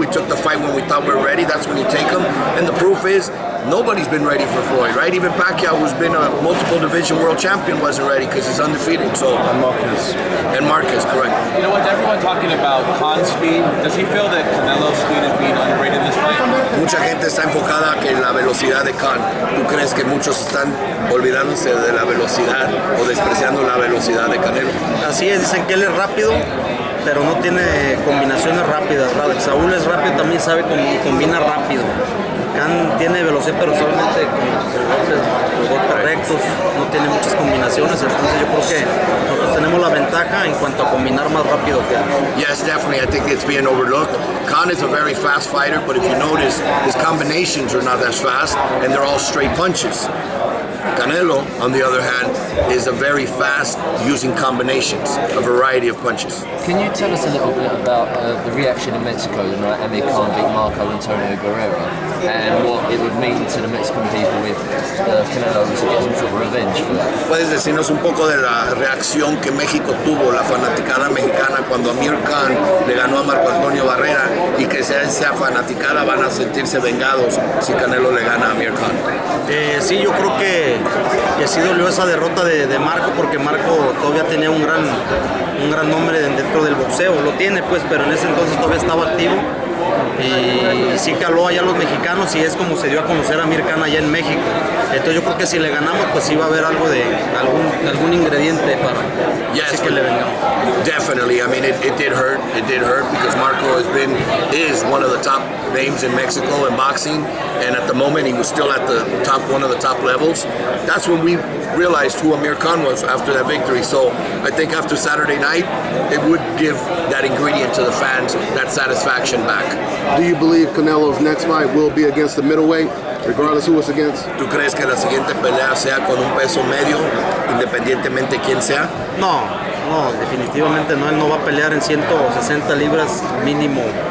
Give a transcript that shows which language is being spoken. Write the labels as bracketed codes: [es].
[en] We took the fight when we thought we were ready. That's when you take him. And the proof is, nobody's been ready for Floyd, right? Even Pacquiao, who's been a multiple division world champion, wasn't ready because he's undefeated. So, And Marquez, correct. You know what, everyone talking about Khan's speed, does he feel that Canelo's speed is being underrated in this fight? [es] Mucha gente está enfocada que la velocidad de Khan. ¿Tú crees que muchos están olvidándose de la velocidad o despreciando la velocidad de Canelo? Así es, dicen que él es rápido, pero no tiene combinaciones rápidas. Saúl es rápido, también sabe y combina rápido. Khan tiene velocidad, pero solamente con los golpes rectos, no tiene muchas combinaciones. Entonces yo creo que nosotros tenemos la ventaja en cuanto a combinar más rápido que él. [en] Yes, definitely. I think it's being overlooked. Khan is a very fast fighter, but if you notice, his combinations are not that fast, and they're all straight punches. Canelo, on the other hand, is a very fast using combinations, a variety of punches. Can you tell us a little bit about the reaction in Mexico the night Amir Khan beat Marco Antonio Guerrero and what it would mean to the Mexican people if Canelo was to get some sort of revenge for that? [es] ¿Puedes decirnos un poco de la reacción que México tuvo, la fanaticada mexicana, cuando Amir Khan le ganó a Marco Antonio Barrera, y que esa fanaticada van a sentirse vengados si Canelo le gana a Amir Khan? Sí, yo creo que sí dolió esa derrota de Marco, porque Marco todavía tenía un gran nombre dentro del boxeo, lo tiene pues, pero en ese entonces todavía estaba activo y sí caló allá los mexicanos y es como se dio a conocer a Amir Khan allá en México. Entonces yo creo que si le ganamos, pues iba a haber algo de algún ingrediente para [en] yes, [es] que le vengamos. [en] Definitely, I mean it did hurt because Marco is one of the top names in Mexico in boxing, and at the moment he was still at the top, one of the top levels. That's when we realized who Amir Khan was after that victory. So I think after Saturday night, it would give that ingredient to the fans, that satisfaction back. Do you believe Canelo's next fight will be against the middleweight, regardless who it's against? [es] ¿Tú crees que la siguiente pelea sea con un peso medio, independientemente quién sea? No, definitivamente no. Él no va a pelear en 160 libras mínimo.